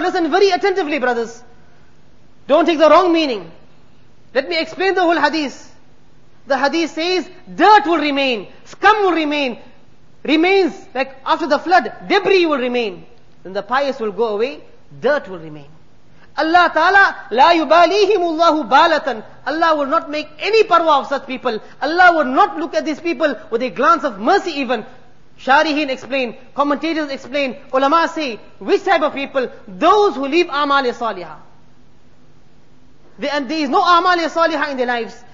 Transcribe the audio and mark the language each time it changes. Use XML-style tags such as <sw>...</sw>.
<en>Listen very attentively, brothers. Don't take the wrong meaning. Let me explain the whole hadith. The hadith says, dirt will remain, scum will remain, remains, like after the flood, debris will remain. Then the pious will go away, dirt will remain.</en> <ar>Allah Ta'ala, لَا يُبَالِيهِمُ اللَّهُ بَالَةً.</ar> <en>Allah will not make any parwa of such people. Allah will not look at these people with a glance of mercy even. Sharihin explain, commentators explain, ulama say, which type of people? Those who leave amal-e-saliha. There is no amal-e-saliha in their lives.</en>